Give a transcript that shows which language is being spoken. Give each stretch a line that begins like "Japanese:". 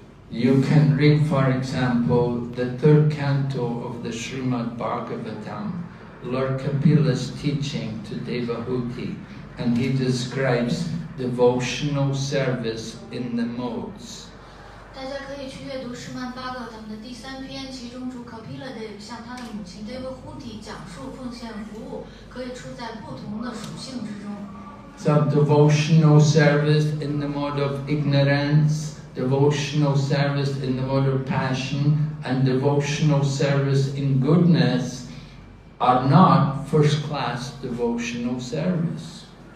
English: You can read, for example, the third canto of the Srimad Bhagavatam, Lord Kapila's teaching to Devahuti, and he describes devotional service in the modes.
Chinese: 大家可以去阅读《诗曼巴格》他们的第三篇，其中主可毗勒的向他的母亲德沃忽提讲述奉献服务，可以出在不同的属性之中。
English: Some devotional service in the mode of ignorance, devotional service in the mode of passion, and devotional service in goodness are not first class devotional service.